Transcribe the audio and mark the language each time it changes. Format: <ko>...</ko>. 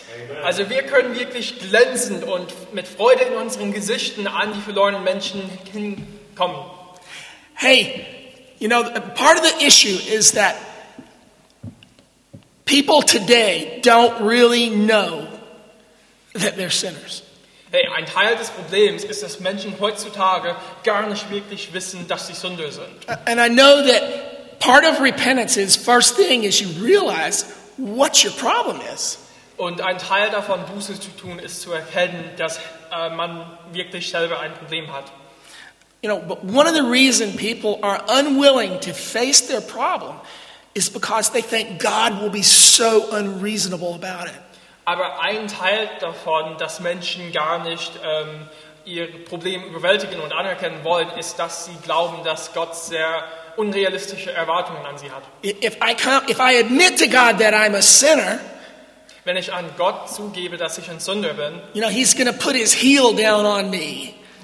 <en>Amen.</en> <de>Also wir können wirklich glänzend und mit Freude in unseren Gesichtern an die verlorenen Menschen hinkommen.</de> <en>Hey, you know, part of the issue is that people today don't really know that they're sinners.</en> <de>Hey, ein Teil des Problems ist, dass Menschen heutzutage gar nicht wirklich wissen, dass sie Sünder sind.</de> <en>And I know that part of repentance is first thing is you realize what your problem is.</en> <de>Und ein Teil davon, Buße zu tun, ist zu erkennen, dass man wirklich selber ein Problem hat.</de> <en>You know, but one of the reasons people are unwilling to face their problem is because they think God will be so unreasonable about it.</en> <de>Aber ein Teil davon, dass Menschen gar nicht ihr Problem überwältigen und anerkennen wollen, ist, dass sie glauben, dass Gott sehr unrealistische Erwartungen an sie hat.</de> <en>If I admit to God that I'm a sinner,</en> <de>wenn ich an Gott zugebe, dass ich ein Sünder bin,</de> <en>you know, he's gonna put his heel down on me.</en>